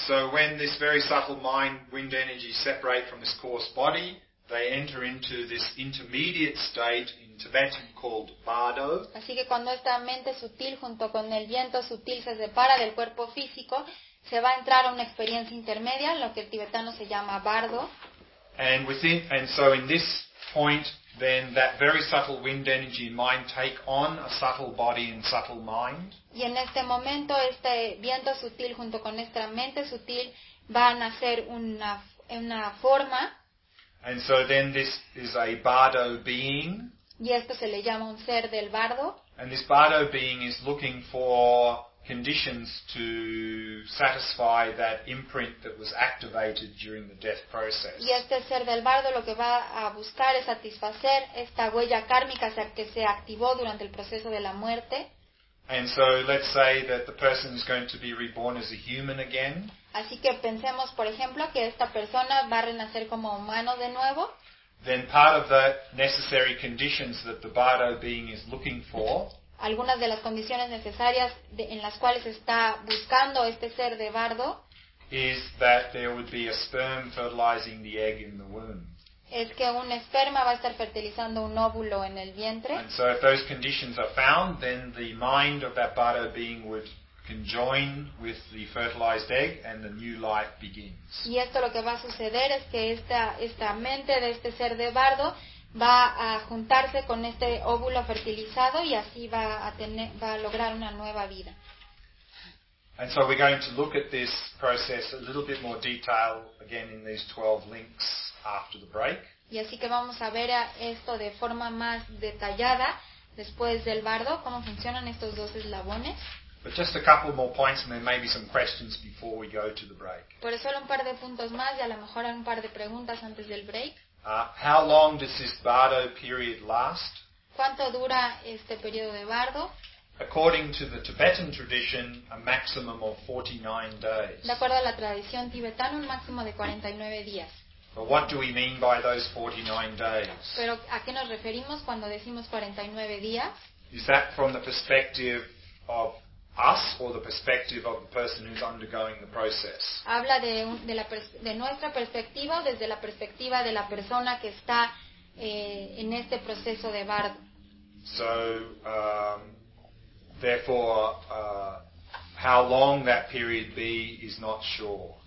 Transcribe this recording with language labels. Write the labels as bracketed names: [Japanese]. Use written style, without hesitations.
[English] So when this very subtle mind wind energy separate from this coarse body, they enter into this intermediate state in Tibetan called bardo. [Spanish] Así que cuando esta mente sutil junto con el viento sutil se separa del cuerpo físico, se va a entrar a una experiencia intermedia, lo que el tibetano se llama bardo. [English] And so in this point, then that very subtle wind energy and mind take on a subtle body and subtle mind. [Spanish] Y en este momento este viento sutil junto con nuestra mente sutil van a hacer una forma. [English] And so then this is a bardo being. [Spanish] Y esto se le llama un ser del bardo. [English] And this bardo being is looking for conditions to satisfy that imprint that was activated during the death process. [Spanish] Y este ser del bardo lo que va a buscar es satisfacer esta huella kármica que se activó durante el proceso de la muerte. [English] And so let's say that the person is going to be reborn as a human again. [Spanish] Así que pensemos, por ejemplo, que esta persona va a renacer como humano de nuevo. [English] Then part of the necessary conditions that the bardo being is looking for. [Spanish] Algunas de las condiciones necesarias en las cuales está buscando este ser de bardo [English] is that there would be a sperm fertilizing the egg in the womb. [Spanish] Es que un esperma va a estar fertilizando un óvulo en el vientre. [English] And so if those conditions are found, then the mind of that bardo being would conjoin with the fertilized egg and the new life begins. [Spanish] Y esto lo que va a suceder es que esta mente de este ser de bardo va a juntarse con este óvulo fertilizado y así va a lograr una nueva vida. [English] And so we're going to look at this process a little bit more detail again in these 12 links after the break. [Spanish] Y así que vamos a ver esto de forma más detallada después del bardo, cómo funcionan estos dos eslabones. [English] But just a couple more points and there may be some questions before we go to the break. [Spanish] Pero solo un par de puntos más y a lo mejor un par de preguntas antes del break. [English] How long does this bardo period last? [Spanish] ¿Cuánto dura este periodo de bardo? [English] According to the Tibetan tradition, a maximum of 49 days. [Spanish] De acuerdo a la tradición tibetana, un máximo de 49 días. [English] But what do we mean by those 49 days? [Spanish] ¿Pero a qué nos referimos cuando decimos 49 días? [English] Is that from the perspective of us or the perspective of the person who's undergoing the process? [Spanish] Habla de nuestra perspectiva o desde la perspectiva de la persona que está en este proceso de bardo. [English] So, therefore, how long that period be is not sure.